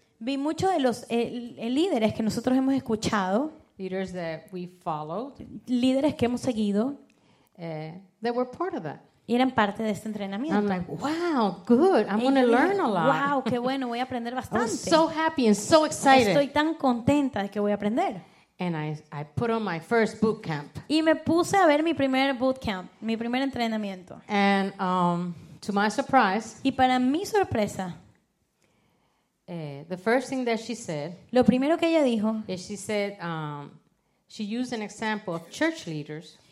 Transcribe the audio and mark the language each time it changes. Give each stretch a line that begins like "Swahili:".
Spanish: Vi muchos de los líderes que nosotros hemos escuchado.
English: Leaders that we followed.
Spanish: Líderes que hemos seguido.
English: That were part of that.
Spanish: Y eran parte de este entrenamiento.
English: I'm like, wow, good. I'm going to learn a lot.
Spanish: Wow, qué bueno, voy a aprender bastante.
English: I'm so happy and so excited.
Spanish: Estoy tan contenta de que voy a aprender.
English: And I put on my first boot camp.
Spanish: Y me puse a ver mi primer boot camp, mi primer entrenamiento.
English: And to my surprise.
Spanish: Y para mi sorpresa.
English: The first thing that she said.
Spanish: Lo primero que ella dijo.
English: Is she said she used an example of church leaders.